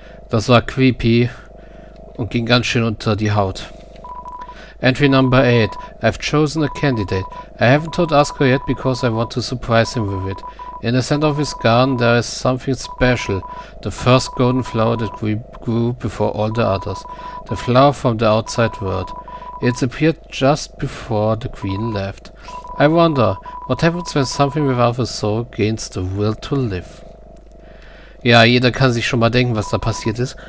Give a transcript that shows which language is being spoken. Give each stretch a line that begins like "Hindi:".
German: Das war creepy und ging ganz schön unter die Haut.
English: Entry number 8. I've chosen a candidate. I haven't told Oscar yet because I want to surprise him with it. In the center of his garden there is something special. The first golden flower that grew before all the others. The flower from the outside world. It's appeared just before the queen left. I wonder, what happens when something without a soul gains the will to live?
German: Ja, jeder kann sich schon mal denken, was da passiert ist.